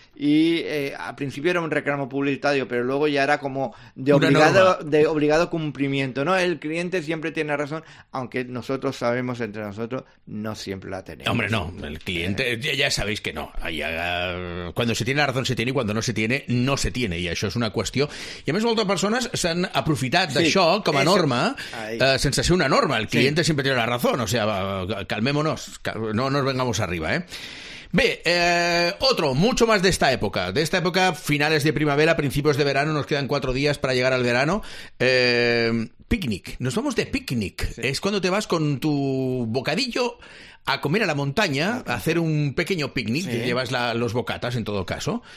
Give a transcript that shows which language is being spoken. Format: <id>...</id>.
<es>Y al principio era un reclamo publicitario, pero luego ya era como de obligado cumplimiento, ¿no? El cliente siempre tiene razón, aunque nosotros sabemos, entre nosotros, no siempre la tenemos. Hombre, no, el cliente, ya sabéis que no. Cuando se tiene la razón, se tiene, y cuando no se tiene, no se tiene, y</es> <ca>això és una qüestió. I a més, moltes persones s'han aprofitat d'això com a norma, sense ser una norma.</ca> <es>El cliente siempre tiene la razón, o sea, calmémonos, no nos vengamos arriba, ¿eh? Bé, otro, mucho más de esta época, finales de primavera, principios de verano, nos quedan 4 días para llegar al verano. Picnic, nos vamos de picnic. Sí. Es cuando te vas con tu bocadillo a comer a la montaña, a hacer un pequeño picnic, sí. Y llevas los bocatas en todo caso.</es>